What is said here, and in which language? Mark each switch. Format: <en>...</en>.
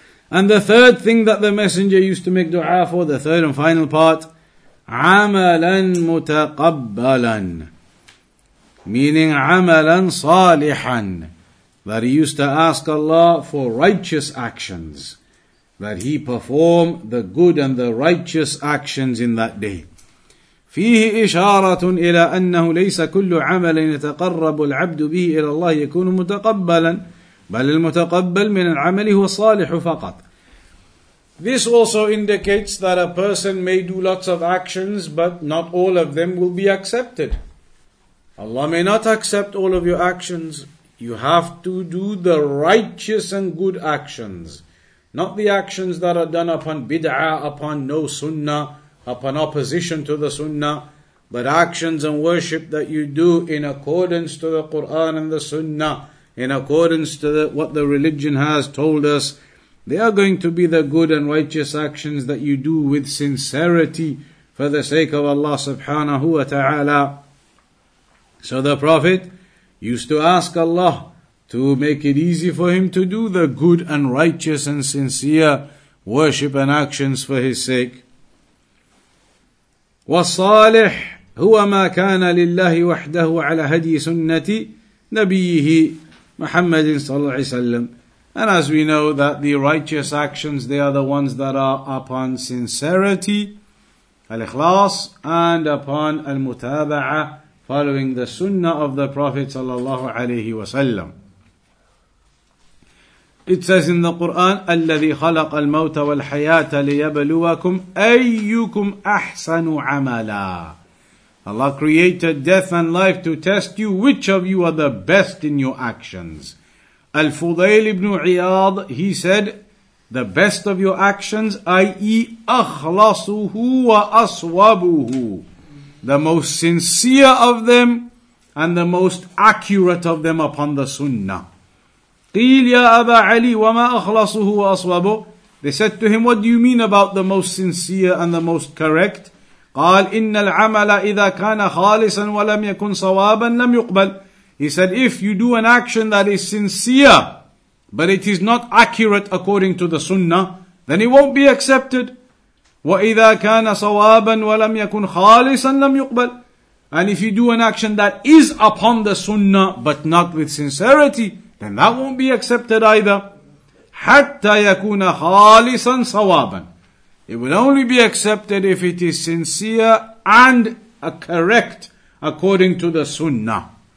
<en>And the third thing that the messenger used to make dua for, the third and final part,</en> <ar>عَمَلًا مُتَقَبَّلًا,</ar> <en>meaning</en> <ar>عَمَلًا صَالِحًا,</ar> <en>that he used to ask Allah for righteous actions, that he perform the good and the righteous actions in that day.</en> <ar>فيه إشارة إلى أنه ليس كل عمل يتقرب العبد به إلى الله يكون متقبلا بل المتقبل من العمل هو الصالح فقط.</ar> <en>This also indicates that a person may do lots of actions, but not all of them will be accepted. Allah may not accept all of your actions. You have to do the righteous and good actions, not the actions that are done upon bid'ah, upon no sunnah, upon opposition to the sunnah, but actions and worship that you do in accordance to the Quran and the sunnah, in accordance to what the religion has told us, they are going to be the good and righteous actions that you do with sincerity for the sake of Allah subhanahu wa ta'ala. So the Prophet used to ask Allah to make it easy for him to do the good and righteous and sincere worship and actions for his sake.</en> <ar>والصالح هو ما كان لله وحده على هدي سنة نبيه محمد صلى الله عليه وسلم.</ar> <en>And as we know that the righteous actions, they are the ones that are upon sincerity, al-ikhlas, and upon al-mutaba'a, following the sunnah of the Prophet</en> <ar>صلى الله عليه وسلم.</ar> <en>It says in the Quran,</en> <ar>الَّذِي خَلَقَ الْمَوْتَ وَالْحَيَاةَ لِيَبْلُوَكُمْ أَيُّكُمْ أَحْسَنُ عَمَلًا.</ar> <en>Allah created death and life to test you, which of you are the best in your actions. Al-Fudayl ibn Iyad, he said, the best of your actions, i.e.</en> <ar>أَخْلَصُهُ وَأَصْوَبُهُ,</ar> <en>the most sincere of them and the most accurate of them upon the sunnah.</en> <ar>قيل يا أبا علي وما أخلصه وأصوبه.</ar> <en>They said to him, what do you mean about the most sincere and the most correct?</en> <ar>قال إن العمل إذا كان خالصا ولم يكن صوابا لم يقبل.</ar> <en>He said, if you do an action that is sincere but it is not accurate according to the sunnah, then it won't be accepted.</en> <ar>وإذا كان صوابا ولم يكن خالصا لم يقبل.</ar> <en>And if you do an action that is upon the sunnah but not with sincerity, then that won't be accepted either.</en> <ar>حَتَّى يَكُونَ خَالِصًا صَوَابًا.</ar> <en>It will only be accepted if it is sincere and correct according to the sunnah.</en>